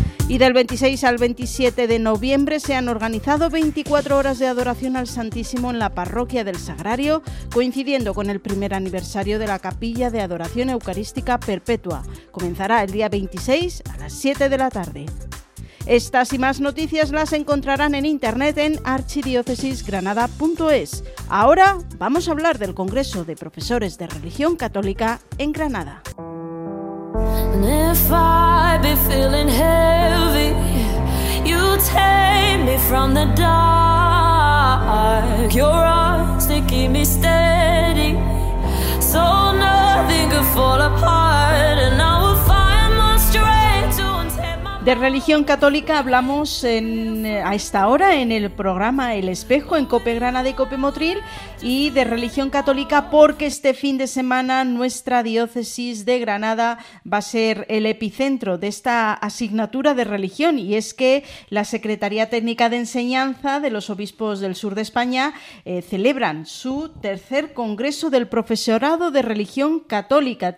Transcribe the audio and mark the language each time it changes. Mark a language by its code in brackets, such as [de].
[es] Y del 26 al 27 de noviembre se han organizado 24 horas de adoración al Santísimo en la Parroquia del Sagrario, coincidiendo con el primer aniversario de la Capilla de Adoración Eucarística Perpetua. Comenzará el día 26 a las 7 de la tarde. Estas y más noticias las encontrarán en internet en archidiocesisgranada.es. Ahora vamos a hablar del Congreso de Profesores de Religión Católica en Granada. [en] And if I be feeling heavy, you take me from the dark. Your arms, they keep me steady, so nothing could fall apart. And I will find my strength to untame my mind. [es] De religión católica hablamos a esta hora en el programa El Espejo en COPE Granada y COPE Motril. Y de religión católica porque este fin de semana nuestra diócesis de Granada va a ser el epicentro de esta asignatura de religión, y es que la Secretaría Técnica de Enseñanza de los Obispos del Sur de España celebran su tercer Congreso del Profesorado de Religión Católica.